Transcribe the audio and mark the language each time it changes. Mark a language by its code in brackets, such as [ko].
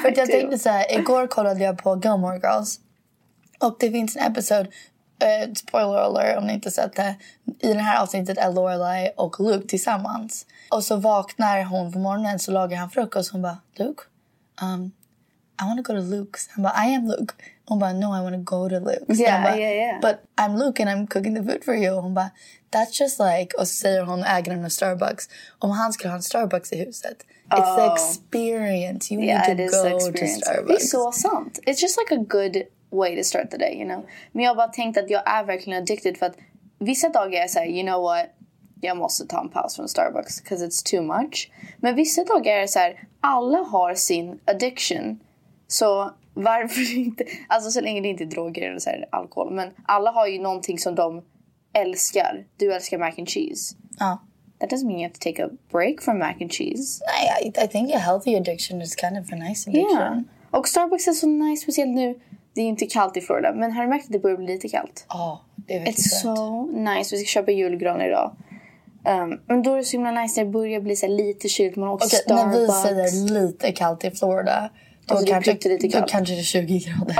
[sv] För att jag tänkte så här, igår kollade jag på Gilmore Girls. Och det finns en episode, spoiler alert om ni inte sett det, i den här avsnittet är Lorelai och Luke tillsammans. Och så vaknar hon på morgonen, så lagar han frukost och hon bara, Luke, [en] I want to go to Luke's. I'm like, I am Luke. I'm like, no, I want to go to Luke's. Yeah, like, yeah, yeah. But I'm Luke and I'm cooking the food for you. I'm like, that's just like, oh, sit at home, agon on a Starbucks. Oh, Hans can on Starbucks, it who's it? It's the experience. You need to go to Starbucks. It's so awesome. It's just like a good way to start the day, you know? [sv] Men jag bara tänkt att jag är verkligen addicted för att vissa dagar jag säger, you know what? Jag måste ta en paus från Starbucks because it's too much. Men vissa dagar är så här, alla har sin addiction. Så varför inte? Alltså så länge det inte är droger eller så här, alkohol. Men alla har ju någonting som de älskar. Du älskar mac and cheese. Ja. [en] That doesn't mean you have to take a break from mac and cheese. Nej, I think a healthy addiction is kind of a nice addiction. Yeah. [sv] Och Starbucks är så nice, speciellt nu. Det är inte kallt i Florida. Men har du märkt att det börjar bli lite kallt? Ja, oh, det är väldigt [en] It's good. So nice. [sv] Vi ska köpa julgran idag. Men då är det så himla nice när det börjar bli så lite kylt. Men också okay, när vi säger lite kallt i Florida, då kanske det är 20 grader.